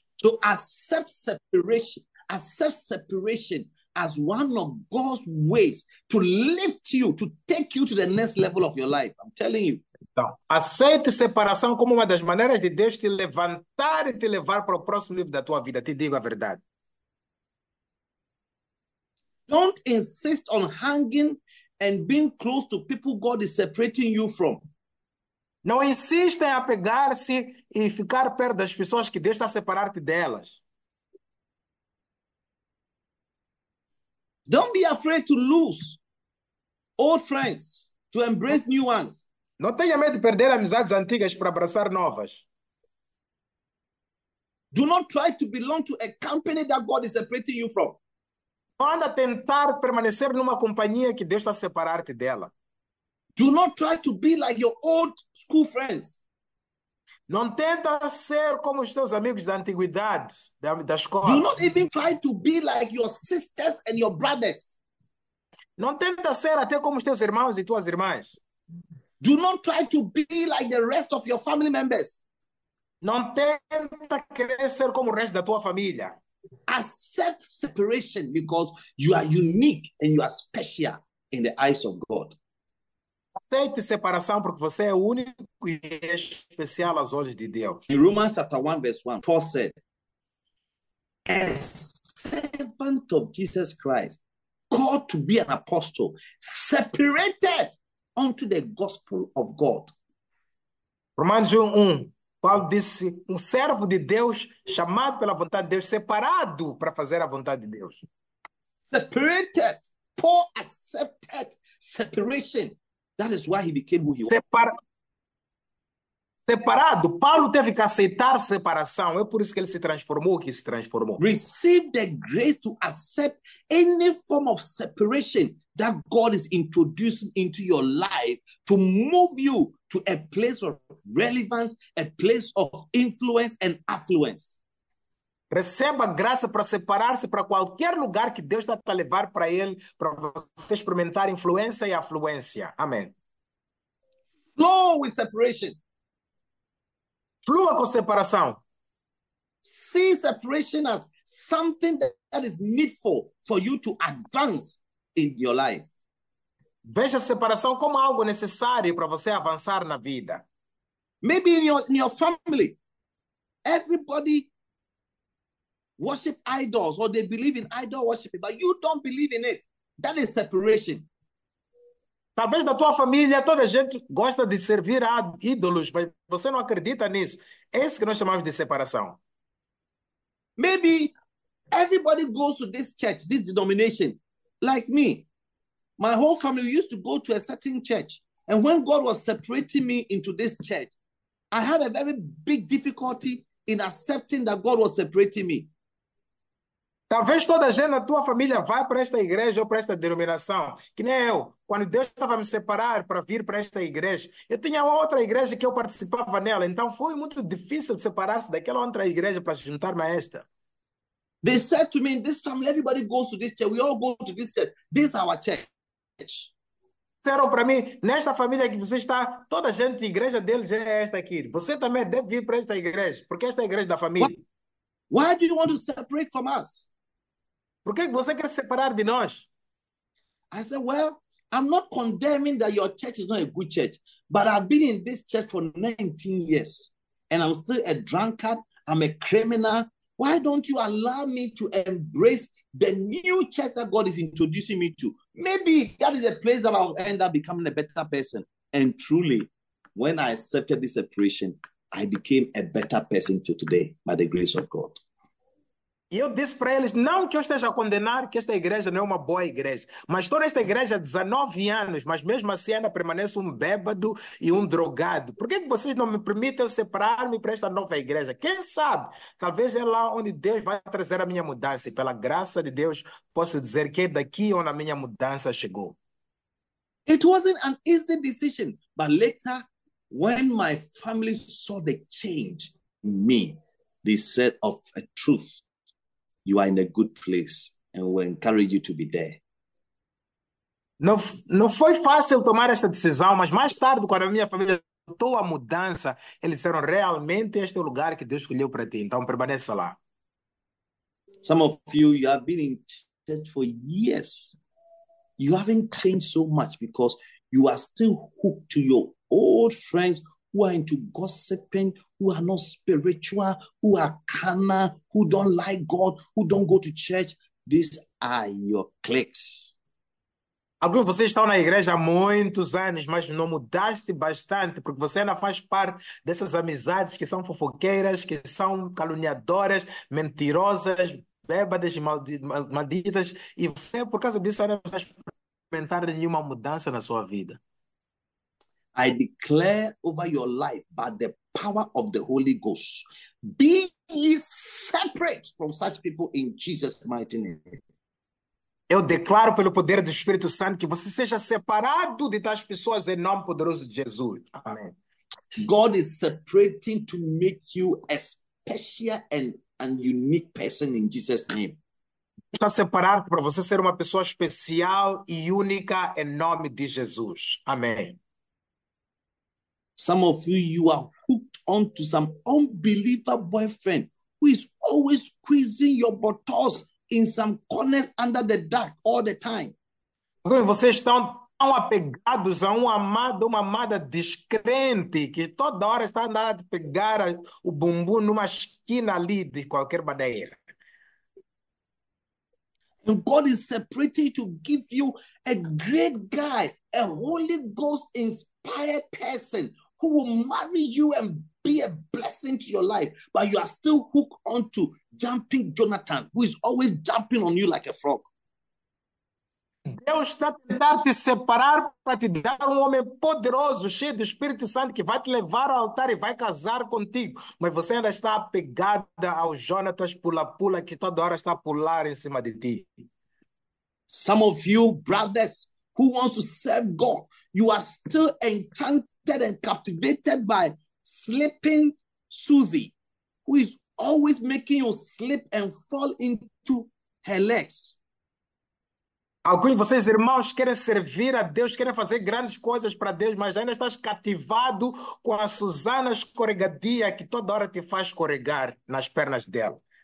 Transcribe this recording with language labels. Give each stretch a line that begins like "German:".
English: So accept separation as one of God's ways to lift you, to take you to the next level of your life. I'm telling you.
Portuguese: Então, aceite separação como uma das maneiras de Deus te levantar e te levar para o próximo nível da tua vida. Te digo a verdade.
English: Don't insist on hanging and being close to people God is separating you from.
Portuguese: Não insista em apegar-se e ficar perto das pessoas que Deus está a separar-te delas.
English: Don't be afraid to lose old friends to embrace new ones.
Portuguese: Não tenha medo de perder amizades antigas para abraçar novas.
English: Do not try to belong to a company that God is separating you from.
Portuguese: Anda tentar permanecer numa companhia que Deus está a separar-te dela.
English: Do not try to be like your old school friends.
Portuguese: Não tenta ser como os teus amigos da antiguidade, da escola.
English: Do not even try to be like your sisters and your brothers.
Portuguese: Não tenta ser até como os teus irmãos e tuas irmãs.
English: Do not try to be like the rest of your family members.
Portuguese: Não tenta querer ser como o resto da tua família.
English: Accept separation because you are unique and you are special in the eyes of God.
Portuguese: Aceite separação porque você é único e especial aos olhos de Deus.
English: In Romans chapter 1, verse 1, Paul said, a servant of Jesus Christ, called to be an apostle, separated unto the gospel of God.
Portuguese: Romanos 1:1. Paulo disse, um servo de Deus, chamado pela vontade de Deus, separado para fazer a vontade de Deus.
English: Separated. Paul accepted separation. That is why he became who he was.
Portuguese: Separado. Paulo teve que aceitar separação. É por isso que ele se transformou, que se transformou.
English: Receive the grace to accept any form of separation that God is introducing into your life to move you to a place of relevance, a place of influence and affluence.
Portuguese: Receba graça para separar-se para qualquer lugar que Deus está a levar para ele, para você experimentar influência e afluência. Amém.
English: Flow with separation.
Portuguese: Flua com separação.
English: See separation as something that is needful for you to advance in your life.
Portuguese: Veja a separação como algo necessário para você avançar na vida.
English: Maybe in your family, everybody worship idols or they believe in idol worship, but you don't believe in it. That is separation.
Portuguese: Talvez na tua família toda a gente gosta de servir a ídolos, mas você não acredita nisso. É isso que nós chamamos de separação.
English: Maybe everybody goes to this church, this denomination, like me. My whole family used to go to a certain church. And when God was separating me into this church, I had a very big difficulty in accepting that God was separating me.
Portuguese: Talvez toda a gente na tua família vá para esta igreja ou para esta denominação, que nem eu. Quando Deus estava a me separar para vir para esta igreja, eu tinha outra igreja que eu participava nela. Então foi muito difícil separar-se daquela outra igreja para se juntar-me a esta.
English: They said to me, in this family, everybody goes to this church. We all go to this church. This is our church.
Portuguese: Disseram para mim, nesta família que você está, toda a gente, a igreja deles é esta aqui. Você também deve vir para esta igreja, porque esta é a igreja da família.
English: Why do you want to separate from us?
Portuguese: Por que você quer separar de nós?
English: I said, well, I'm not condemning that your church is not a good church, but I've been in this church for 19 years and I'm still a drunkard, I'm a criminal. Why don't you allow me to embrace the new church that God is introducing me to? Maybe that is a place that I'll end up becoming a better person. And truly, when I accepted this separation, I became a better person till today, by the grace of God.
Portuguese: E eu disse para eles, não que eu esteja a condenar que esta igreja não é uma boa igreja, mas estou nesta igreja há 19 anos, mas mesmo assim ainda permaneço um bêbado e um drogado. Por que que vocês não me permitem separar-me para esta nova igreja? Quem sabe? Talvez é lá onde Deus vai trazer a minha mudança. E pela graça de Deus, posso dizer que é daqui onde a minha mudança chegou.
English: It wasn't an easy decision, but later, when my family saw the change in me, they said of a truth, you are in a good place and we encourage you to be there.
Portuguese: Não, não foi fácil tomar esta decisão, mas mais tarde, quando a minha família notou a mudança, eles disseram, realmente este é o lugar que Deus escolheu para ti, então permaneça lá.
English: Some of you have been in church for years. You haven't changed so much because you are still hooked to your old friends who are into gossiping, who are not spiritual, who are carnal, who don't like God, who don't go to church. These are your cliques.
Portuguese: Alguns de vocês estão na igreja há muitos anos, mas não mudaste bastante, porque você ainda faz parte dessas amizades que são fofoqueiras, que são caluniadoras, mentirosas, bêbadas e malditas, e você, por causa disso, ainda não está experimentando nenhuma mudança na sua vida.
English: I declare over your life by the power of the Holy Ghost, be ye separate from such people in Jesus' mighty name.
Portuguese: Eu declaro pelo poder do Espírito Santo que você seja separado de tais pessoas em nome poderoso de Jesus. Amém.
English: God is separating to make you a special and unique person in Jesus' name.
Portuguese: Está separado para você ser uma pessoa especial e única em nome de Jesus. Amém.
English: Some of you are hooked onto some unbelievable boyfriend who is always squeezing your buttocks in some corners under the dark all the time.
Portuguese: Vocês estão tão apegados a um amado, uma amada descrente que toda hora está andando a pegar o bumbum numa esquina ali de qualquer maneira.
English: And God is separating to give you a great guy, a Holy Ghost inspired person who will marry you and be a blessing to your life, but you are still hooked onto jumping Jonathan, who is always jumping on you like a frog.
Portuguese: Deus está tentando te separar para te dar um homem poderoso, cheio do Espírito Santo, que vai te levar ao altar e vai casar contigo. Mas você ainda está apegada ao Jonatas pula-pula, que toda hora está a pular em cima de ti.
English: Some of you brothers who want to serve God, you are still enchanted and captivated by sleeping Susie, who is always making you slip and fall into her legs.
Portuguese: Alguns de vocês, irmãos, querem servir a Deus, querem fazer grandes coisas para Deus, mas ainda estás cativado com a Susana escorregadia que toda hora te faz escorregar nas pernas dela.